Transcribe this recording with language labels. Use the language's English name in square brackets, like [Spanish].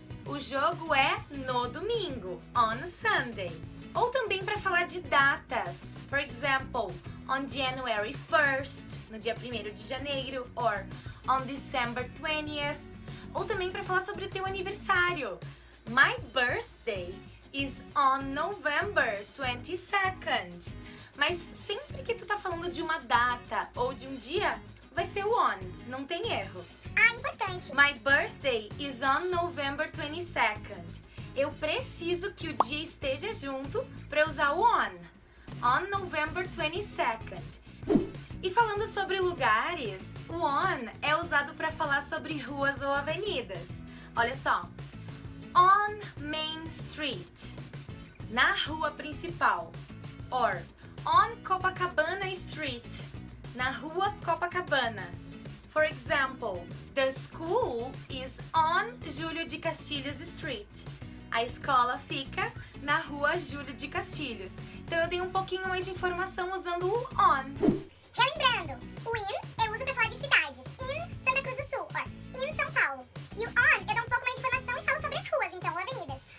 [Portuguese] O jogo é no domingo, [English] on Sunday. [Portuguese] Ou também para falar de datas. [English] For example, on January 1st, [Portuguese] no dia 1º de janeiro, [English] or on December 20th, [Portuguese] ou também para falar sobre o teu aniversário. [English] My birthday is on November 22nd. [Portuguese] Mas sempre que tu tá falando de uma data ou de um dia, vai ser o on, não tem erro. Ah, importante. [English] My birthday is on November 22nd. [Portuguese] Eu preciso que o dia esteja junto para usar o on. [English] On November 22nd. [Portuguese] E falando sobre lugares, o on é usado para falar sobre ruas ou avenidas. Olha só. [English] On Main Street. [Portuguese] Na rua principal. [English] Or on Copacabana Street. [Portuguese] Na rua Copacabana. [English] For example, the school is on Júlio de Castilhos Street. [Portuguese] A escola fica na rua Júlio de Castilhos. Então eu dei um pouquinho mais de informação usando o on. Relembrando, o in eu uso pra falar de cidades. [English] In Santa Cruz do Sul, or in São Paulo. [Portuguese] E o on eu dou um pouco mais de informação e falo sobre as ruas, então, avenidas.